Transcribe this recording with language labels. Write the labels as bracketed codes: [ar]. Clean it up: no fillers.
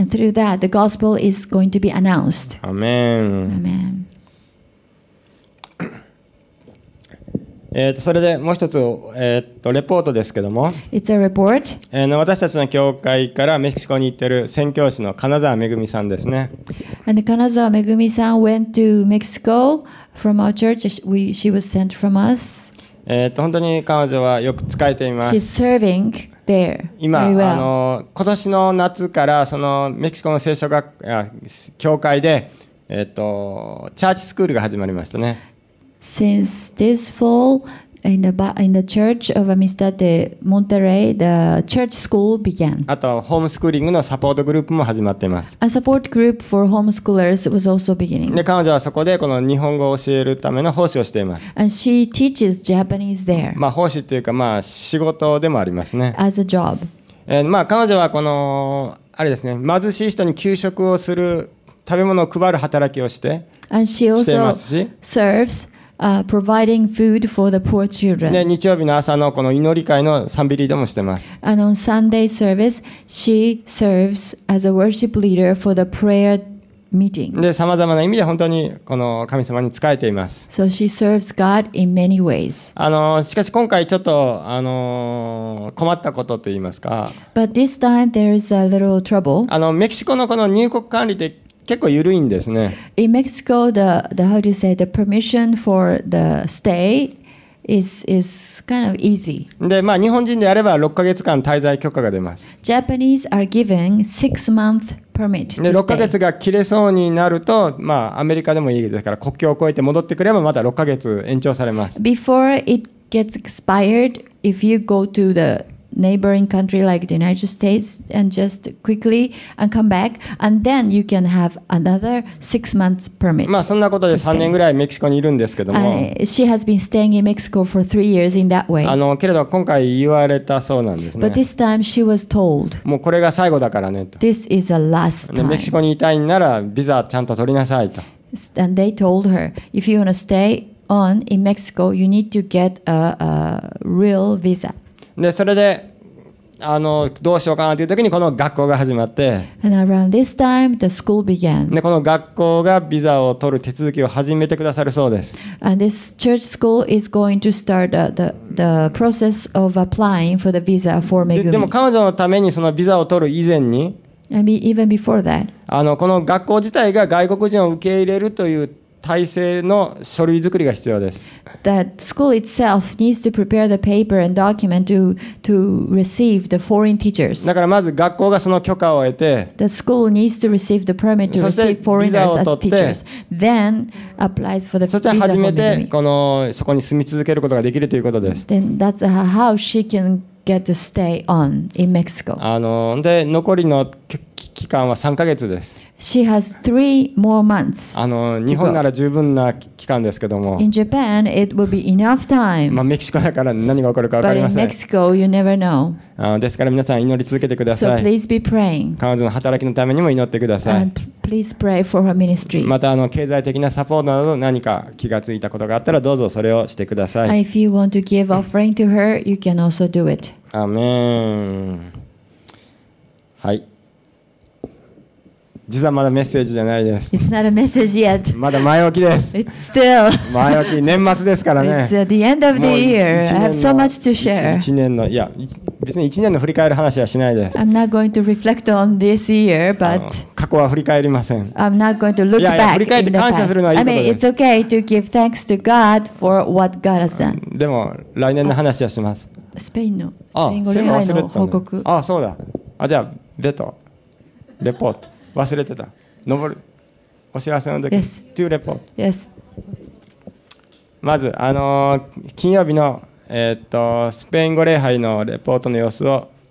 [en] And through that, the gospel is going to be announced. [ja] アメン。アメン。それでもう一つ、レポートですけども、 [en] It's a report. [ja] 私たちの教会からメキシコに行っている宣教師の金沢めぐみさんですね。 [en] And 金沢めぐみさん went to Mexico from our church. She was sent from us. [ja] 本当に彼女はよく使えています。 [en] She's serving there. [ja] 今、 [en] well. [ja] 今年の夏からそのメキシコの聖書学教会で、チャーチスクールが始まりましたね。 [en] Since this fall, in the church of Amistad de Monterrey, the church school began. [ja] あとホームスクーリングのサポートグループも始まっています。 [en] A support group for homeschoolers was also beginning. [ja] で、彼女はそこでこの日本語を教えるための奉仕をしています。 [en] And she teaches Japanese there. [ja] まあ奉仕というかまあ仕事でもありますね。 [en] As a job. [ja] まあ彼女はこのあれですね、貧しい人に給食をする食べ物を配る働きをして。 [en] And she also serves. Providing food for the poor children. [ja] で、日曜日の朝のこの祈り会の賛美リードもしてます。 [en] And on Sunday service, she serves as a worship leader for the prayer meeting. [ja] で、さまざまな意味で本当にこの神様に仕えています。 [en] So she serves God in many ways. [ja] しかし今回ちょっと困ったことといいますか。 [en] But this time there is a little trouble. [ja] メキシコのこの入国管理で結構緩いんですね。 [en] In Mexico, how do you say, the permission for the stay is kind of easy. [ja] で、まあ日本人であれば6ヶ月間滞在許可が出ます。 [en] Japanese are given 6-month permit to stay. [ja] で、6ヶ月が切れそうになると、まあアメリカでもいいですから国境を越えて戻ってくればまた6ヶ月延長されます。 [en] Before it gets expired, if you go to theneighboring country like the United States and just quickly and come back and then you can have another 6-month permit. [ja] まあそんなことで3年ぐらいメキシコにいるんですけども。 [en] She has been staying in Mexico for 3 years in that way. [ja] けれど今回言われたそうなんですね。 [en] But this time she was told. [ja] もうこれが最後だからねと。 [en] This is the last time. [ja] メキシコにいたいならビザちゃんと取りなさいと。 [en] And they told her, if you want to stay on in Mexico, you need to get a real visa. [ja] でそれでどうしようかなというときにこの学校が始まって [en] And around this time, the school began. [ja] でこの学校がビザを取る手続きを始めてくださるそうです。 [en] And this church school is going to start the process of applying for the visa for Megumi. [ja] でも彼女のためにそのビザを取る以前に [en] And even before that. [ja] この学校自体が外国人を受け入れるという体制の書類作りが必要です。 [en] That school itself needs to prepare the paper and document to receive the foreign teachers. [ja] だからまず学校がその許可を得て、 [en] The school needs to receive the permit to receive foreigners as teachers. Then applies for the visa. [ja] そして初めてこのそこに住み続けることができるということです。 [en] Then that's how she can get to stay on in Mexico. [ja] で残りの期間は3ヶ月です。 [en] She has three more months. [ja] 日本なら十分な期間ですけども。 [en] In Japan, it will be enough time. [ja] まあ、メキシコだから何が起こるか分かりません。 [en] But in Mexico, you never know. [ja] ですから皆さん祈り続けてください。 [en] So please be praying. [ja] 彼女の働きのためにも祈ってください。 [en] And please pray for her ministry. [ja] また経済的なサポートなど何か気がついたことがあったらどうぞそれをしてください。 [en] If you want to give offering to her, you can also do it. [ja] アメン。はい。実はまだメッセージじゃないです。 [en] It's not a message yet. [ja] まだ前置きです。 [en] It's still. [ja] 前置き、年末ですからね。 [en] It's the end of the year. I have so much to share. [ja] 一年の、いや、別に一年の振り返る話はしないです。 [en] I'm not going to reflect on this year, but [ja] 過去は振り返りません。 [en] I'm not going to look back. [ja] いやいや、振り返って感謝するのはいいことです。 [en] I mean, it's okay to give thanks to God for what God has done. [ja] でも、来年の話はします。スペインの、スペイン語礼拝の報告。あ、そうだ。あ、じゃあ、ベト、レポート。忘れてた。登るお知らせの時。 [en] Yes. To report. Yes. [ja] まず金曜日のスペイン語礼拝のレポートの様子を。